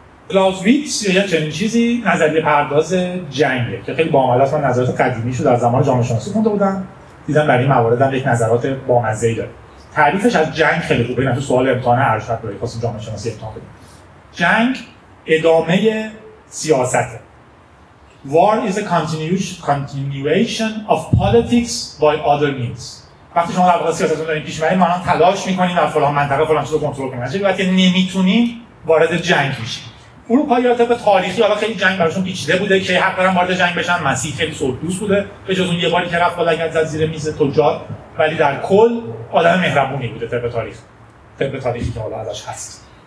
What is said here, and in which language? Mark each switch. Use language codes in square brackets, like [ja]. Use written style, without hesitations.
[fa] کلاوزویتس یه چنین چیزی نظریه پرداز جنگه که خیلی باحاله. من نظرات قدیمیش رو در زمان جامعه شناسی خونده بودم، دیدم برای این موارد هم یک نظرات بامزه‌ای داره. تعریفش از جنگ خیلی خوبه، اینم تو سوال امتحان ارشد برای خواستم جامعه شناسی امتحان بدم. جنگ ادامه سیاسته. [en] War is a continuation of politics by other means. [fa] وقتی شما در واقع سیاستون دارین پیش میرین، ما الان تلاش میکنیم در فلان منطقه فلان چیزو کنترل کنیم، ولی وقتی نمیتونیم وارد جنگ میشیم. اروپایی ها به تاریخی حالا خیلی جنگ براشون پیچیده بوده که حق دارن وارد جنگ بشن. مسیح خیلی صلح دوست بوده، به جز اون یه باری که رفت بالا از زیر میز تجار، ولی در کل آدم مهربونی بوده طبق تاریخ، طبق تاریخی که حالا ازش هست.